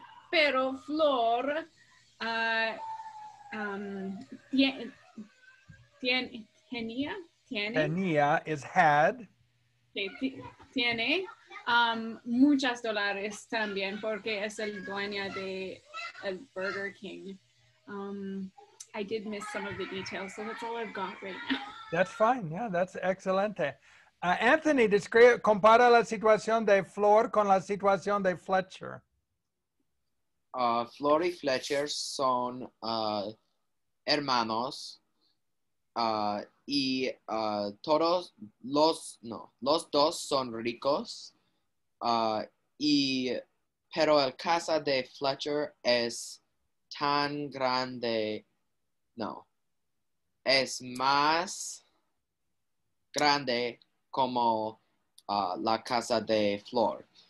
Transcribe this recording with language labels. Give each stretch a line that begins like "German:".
Spanish: Pero Flor tenía is had. Tiene muchos dólares también porque es el dueño de el Burger King.
English: I did miss some of the details, so that's all I've got right now. That's fine. Yeah, that's excelente.
Spanish: Anthony, describe, compara la situación de Flor con la situación de Fletcher. Flor y Fletcher son hermanos y todos los, no, los dos son ricos y pero el casa de Fletcher es tan grande, no, es más grande como la casa de Flor.